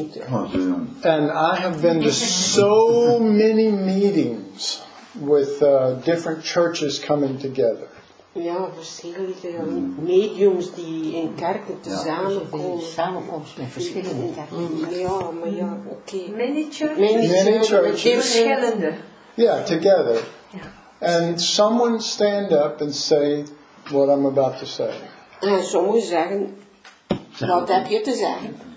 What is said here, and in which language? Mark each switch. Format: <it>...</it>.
<en>And I have been to so many meetings with different churches coming together.</en> <nl>Ja, verschillende mediums die in kerken tezamenkomen. Samenkomst met verschillende kerken. Ja, maar ja, oké.</nl> <en>Many churches. Many churches.</en> <nl>Verschillende.</nl> <en>Yeah, together. And someone stand up and say what I'm about to say.</en> <nl>En sommigen zeggen, wat heb je te zeggen?</nl>